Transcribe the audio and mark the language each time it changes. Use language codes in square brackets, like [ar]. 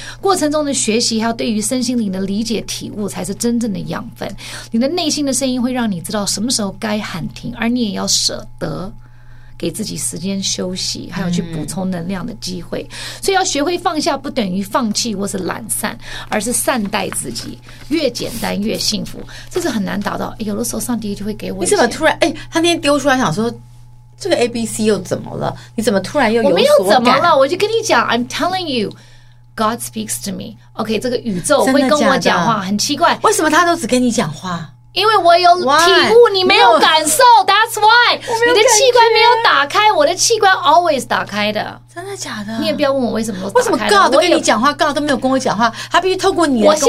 [zh] 过程中的学习还有对于身心灵的理解体悟才是真正的养分，你的内心的声音会让你知道什么时候该喊停，而你也要舍得给自己时间休息还有去补充能量的机会、所以要学会放下不等于放弃或是懒散，而是善待自己，越简单越幸福，这是很难达到、有的时候上帝就会给我一些。你怎么突然、他那天丢出来想说这个 ABC 又怎么了，你怎么突然又有所感？我没有怎么了，我就跟你讲 [en] I'm telling youGod speaks to me. [zh] OK, 这个宇宙会跟我讲话，很奇怪。为什么他都只跟你讲话？因为我有体悟， [en] why? [zh] 你没有感受。 [en] No. That's why. [zh] 你的器官没有打开，我的器官 always 打开的。真的假的？你也不要问我为什么都打开了。为什么 God 都跟你讲话， God 都没有跟我讲话，他必须透过你来跟